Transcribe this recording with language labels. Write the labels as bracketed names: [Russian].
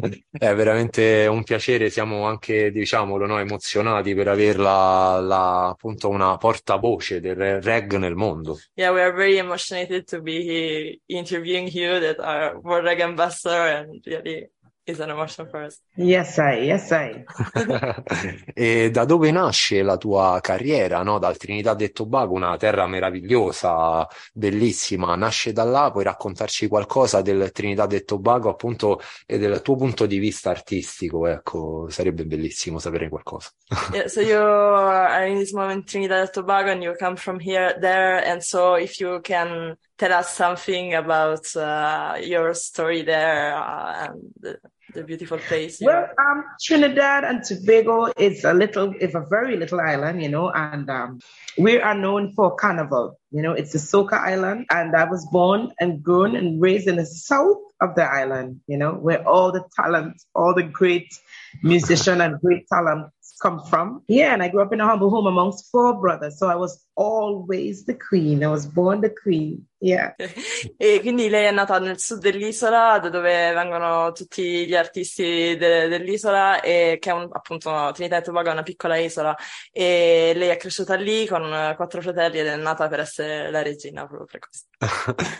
[Italian] È veramente un piacere, siamo anche, diciamolo, no, emozionati per averla, appunto, una portavoce del reg nel mondo. [English] Yeah, we are very emotionated to be interviewing you, that are world reg ambassador, and really is an emotion for us. Yes, I. [Italian] E da dove nasce la tua carriera, no? Dal Trinidad e Tobago, una terra meravigliosa, bellissima. Nasce da là, puoi raccontarci qualcosa del Trinidad e Tobago, appunto, e del tuo punto di vista artistico, ecco, sarebbe bellissimo sapere qualcosa. [English] Yeah, so you are in this moment Trinidad e Tobago, and you come from here, there, and so if you can tell us something about your story there, and the beautiful place. Well, Trinidad and Tobago is a very little island, you know, and we are known for carnival. You know, it's a soca island, and I was born and grown and raised in the south of the island, you know, where all the talent, all the great musician and great talent come from. Yeah, and I grew up in a humble home amongst 4 brothers, so I was always the queen. I was born the queen. Yeah. [Italian] E quindi lei è nata nel sud dell'isola, da dove vengono tutti gli artisti dell'isola, e che è appunto Trinidad e Tobago, una piccola isola, e lei è cresciuta lì con 4 fratelli ed è nata per essere la regina proprio così.